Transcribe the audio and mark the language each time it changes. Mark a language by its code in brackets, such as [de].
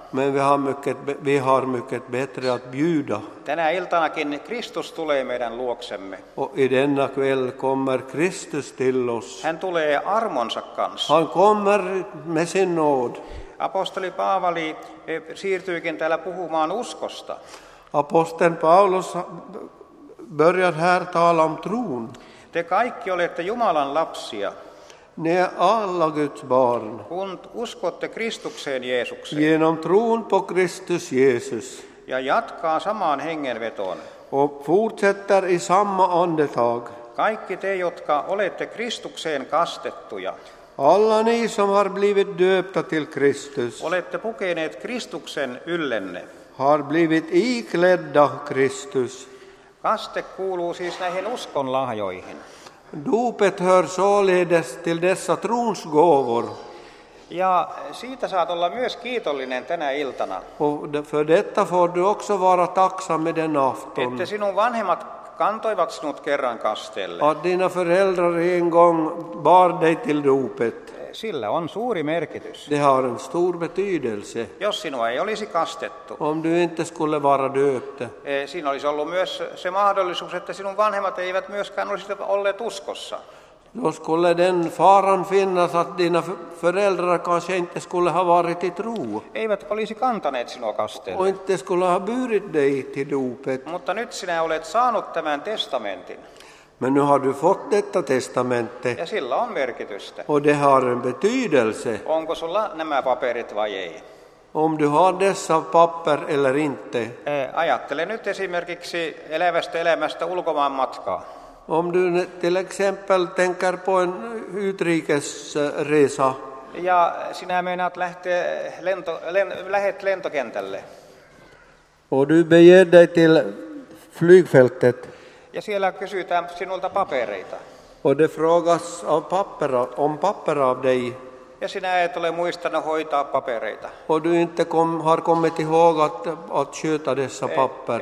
[sv] Men vi har mycket bättre att bjuda. [fi] Tänä iltanakin Kristus tulee meidän luoksemme. [sv] Och i denna kväll kommer Kristus till oss. [fi] Hän tulee armonsa kanssa. [sv] Han kommer med sin nåd. [fi] Apostoli Paavali siirtyykin täällä puhumaan uskosta. [sv] Aposteln Paulus börjar här tala om tron. [fi] Te kaikki olette Jumalan lapsia. [sv] Ne alla Guds barn. [fi] Kun uskotte Kristukseen Jeesukseen. [sv] Genom tron på Kristus Jesus. [fi] Ja jatkaa samaan hengenvetoon. [sv] Och fortsätter i samma andetag. [fi] Kaikki te, jotka olette Kristukseen kastettuja. [sv] Alla ni som har blivit döpta till Kristus. [fi] Olette pukeneet Kristuksen yllenne. [sv] Har blivit iklädda Kristus. [fi] Kaste kuuluu siis näihin uskon lahjoihin. [sv] Dopet hör således till dessa trons gåvor. [fi] Ja siitä saat olla myös kiitollinen tänä iltana. [sv] För detta får du också vara tacksam med den afton. [fi] Että sinun vanhemmat kantoivat sinut kerran kasteelle. [sv] Att dina föräldrar en gång bar dig till dopet. [fi] Sillä on suuri merkitys. [sv] Det har en stor betydelse. [fi] Jos sinua ei olisi kastettu. [sv] Om du inte skulle vara döpt. [fi] Siinä olisi ollut myös se mahdollisuus, että sinun vanhemmat eivät myöskään olisi olleet uskossa. [sv] Då skulle den faran finnas att dina föräldrar kanske inte skulle ha varit i tro. [fi] Eivät olisi kantaneet sinua kasteelle. [sv] Och inte skulle ha burit dig till dopet. [fi] Mutta nyt sinä olet saanut tämän testamentin. [sv] Men nu har du fått detta testamente. [fi] Ja sillä on merkitystä. [sv] Och det har en betydelse. [fi] Onko sulla nämä paperit vai ei? [sv] Om du har dessa papper eller inte. [fi] Ajattele nyt esimerkiksi elävästä elämästä ulkomaan matkaa. [sv] Om du till exempel tänker på en utrikesresa. [fi] Ja sinä meinaat lähteä lähet lentokentälle. [sv] Och du beger dig till flygfältet. [fi] Ja siellä kysytään sinulta papereita. [sv] Och det frågas av papper, om papper av dig. [fi] Ja sinä et ole muistanut hoitaa papereita. [sv] Och du inte har kommit ihåg att sköta dessa papper.